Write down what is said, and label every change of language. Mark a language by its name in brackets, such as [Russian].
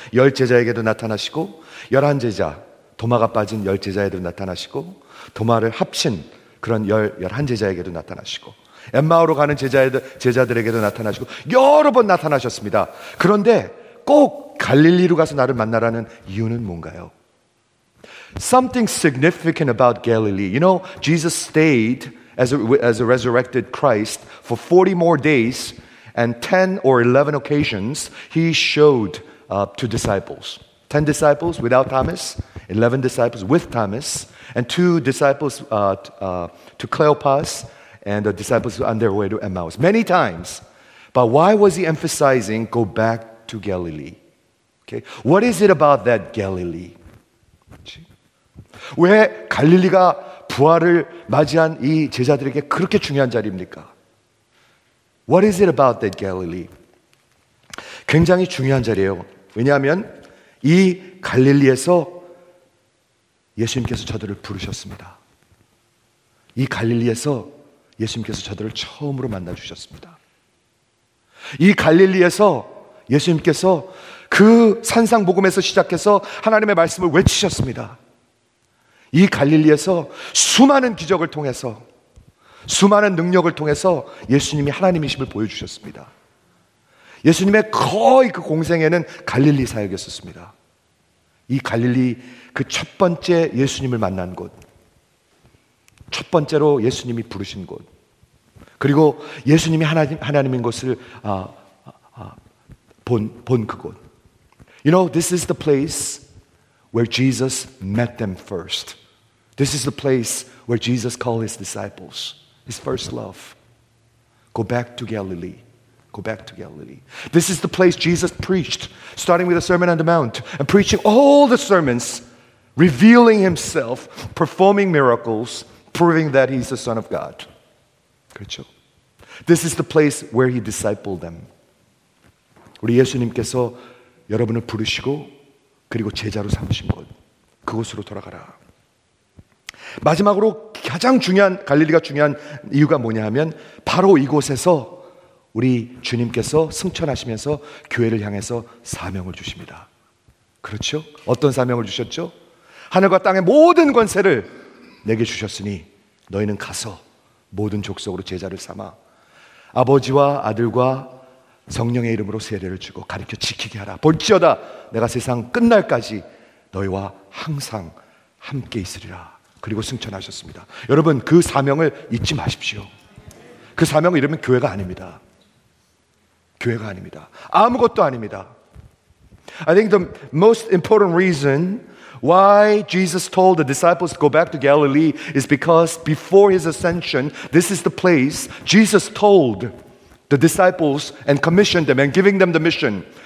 [Korean] 열 제자에게도 나타나시고 열한 제자, 도마가 빠진 열 제자에게도 나타나시고 도마를 합친 그런 열한 제자에게도 나타나시고 엠마오로 가는 제자들에게도 나타나시고 여러 번 나타나셨습니다. 그런데 꼭 갈릴리로 가서 나를 만나라는 이유는 뭔가요? [English] Something significant about Galilee. You know, Jesus stayed as a resurrected Christ for 40 more days and 10 or 11 occasions he showed up to disciples. 10 disciples without Thomas, 11 disciples with Thomas, and two disciples to Cleopas and the disciples on their way to Emmaus. Many times. But why was he emphasizing go back to Galilee? Okay. What is it about that Galilee? [Korean] 왜 갈릴리가 부활을 맞이한 이 제자들에게 그렇게 중요한 자리입니까? [English] What is it about that Galilee? [Korean] 굉장히 중요한 자리예요. 왜냐하면 이 갈릴리에서 예수님께서 저들을 부르셨습니다. 이 갈릴리에서 예수님께서 저들을 처음으로 만나주셨습니다. 이 갈릴리에서 예수님께서 그 산상복음에서 시작해서 하나님의 말씀을 외치셨습니다. 이 갈릴리에서 수많은 기적을 통해서 수많은 능력을 통해서 예수님이 하나님이심을 보여주셨습니다. 예수님의 거의 그 공생애는 갈릴리 사역이었습니다. 이 갈릴리 그 첫 번째 예수님을 만난 곳, 첫 번째로 예수님이 부르신 곳, 그리고 예수님이 하나님인 것을 본 그곳. [English] You know, this is the place where Jesus met them first. This is the place where Jesus called his disciples, his first love. Go back to Galilee. Go back to Galilee. This is the place Jesus preached, starting with the Sermon on the Mount, and preaching all the sermons, revealing himself, performing miracles, proving that he's the Son of God. [Korean] 그렇죠? [English] This is the place where he discipled them. [Korean] 우리 예수님께서 여러분을 부르시고 그리고 제자로 삼으신 곳. 그곳으로 돌아가라. 마지막으로 가장 중요한 갈릴리가 중요한 이유가 뭐냐 하면 바로 이곳에서 우리 주님께서 승천하시면서 교회를 향해서 사명을 주십니다. 그렇죠? 어떤 사명을 주셨죠? 하늘과 땅의 모든 권세를 내게 주셨으니 너희는 가서 모든 족속으로 제자를 삼아 아버지와 아들과 성령의 이름으로 세례를 주고 가르쳐 지키게 하라. 볼지어다 내가 세상 끝날까지 너희와 항상 함께 있으리라. 그리고 승천하셨습니다. 여러분 그 사명을 잊지 마십시오. 그 사명을 잃으면 교회가 아닙니다. 교회가 아닙니다. 아무것도 아닙니다. [English] I think the most important reason why Jesus told the disciples to go back to Galilee is because before his ascension, this is the place Jesus told the disciples and commissioned them and giving them the mission.